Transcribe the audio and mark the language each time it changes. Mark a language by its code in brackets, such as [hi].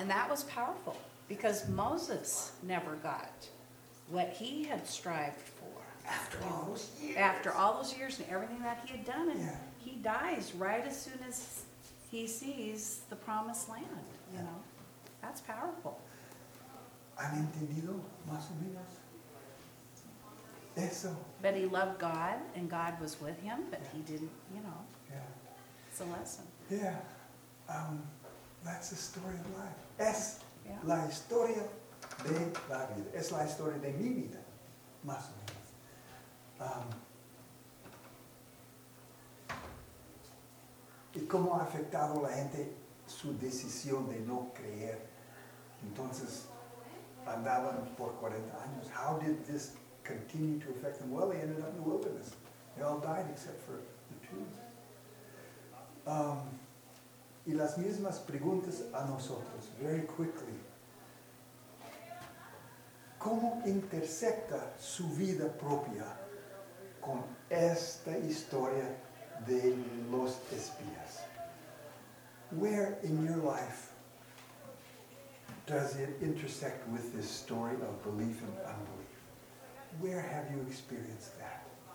[en] And that was powerful because Moses never got what he had strived for. After all those years. After all those years and everything that he had done. And yeah. he dies right as soon as he sees the promised land, you yeah. know. That's powerful. [es] ¿Han entendido más o menos eso? [en] But he loved God, and God was with him, but yeah. he didn't, you know. Yeah. It's a lesson. Yeah. That's the story of life. Es yeah. [es] la historia de la vida. Es la historia de mi vida, más o menos. ¿Y cómo ha afectado la gente su decisión de no creer? Entonces, andaban por 40 años. [en] How did this continue to affect them? Well, they ended up in the wilderness. They all died except for the two. [es] Y las mismas preguntas a nosotros, [en] very quickly. [es] ¿Cómo intersecta su vida propia con esta historia de los espías? [en] Where in your life does it intersect with this story of belief and unbelief? Where have you experienced that?